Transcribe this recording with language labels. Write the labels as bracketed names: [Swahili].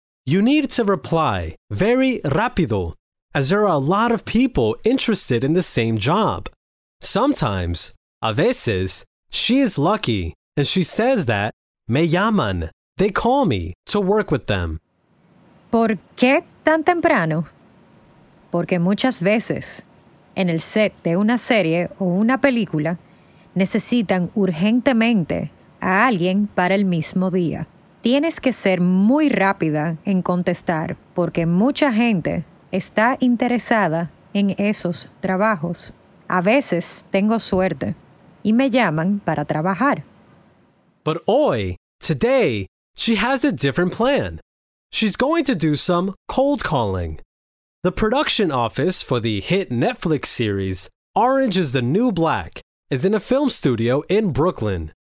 [English] You need to reply very rápido, as there are a lot of people interested in the same job. Sometimes, [Spanish] a veces, [English] she is lucky, and she says that, [Spanish] me llaman, [English] they call me, to work with them. [Spanish] ¿Por qué tan temprano? Porque muchas veces, en el set de una serie o una película, necesitan urgentemente a alguien para el mismo día. Tienes que ser muy rápida en contestar porque mucha gente está interesada en esos trabajos. A veces tengo suerte y me llaman para trabajar. [English] But [Spanish] hoy, [English] today, she has a different plan. She's going to do some cold calling. The production office for the hit Netflix series Orange is the New Black is in a film studio in Brooklyn.